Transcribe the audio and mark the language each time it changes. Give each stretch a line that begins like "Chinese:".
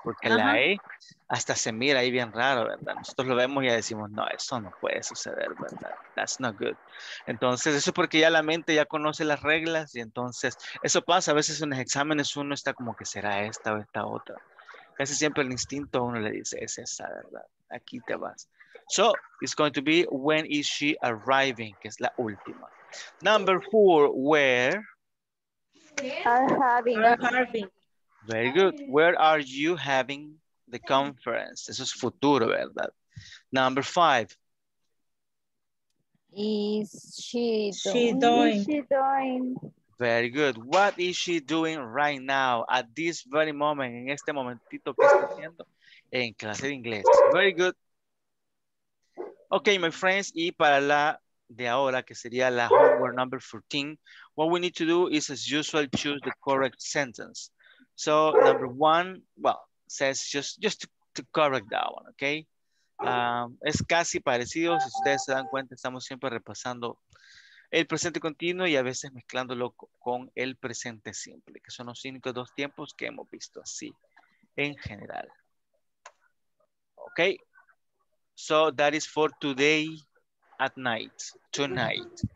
Spanish: Porque la E hasta se mira ahí bien raro, ¿verdad? Nosotros lo vemos y ya decimos, no, eso no puede suceder, ¿verdad?
English: That's not good.
Spanish: Entonces, eso es porque ya la mente ya conoce las reglas y entonces, eso pasa. A veces en los exámenes uno está como que será esta o esta otra. Casi siempre el instinto uno le dice, es esa, ¿verdad? Aquí te vas.
English: So, it's going to be, when is she arriving?
Spanish: Que es la última.
English: Number four, where? I'm having. Very good. Where are you having the conference?
Spanish: Eso es futuro, ¿verdad?
English: Number five. Is she doing? Very good. What is she doing right now at this very moment,
Spanish: en este momentito que está haciendo en clase de inglés?
English: Very good. Okay, my friends,
Spanish: y para la de ahora, que sería la
English: homework number 14, what we need to do is, as usual, choose the correct sentence. So, number one, well, says just to correct that one, okay?
Spanish: Es casi parecido, si ustedes se dan cuenta, estamos siempre repasando el presente continuo y a veces mezclándolo con el presente simple, que son los únicos dos tiempos que hemos visto así, en general.
English: Okay? So, that is for today at night, tonight.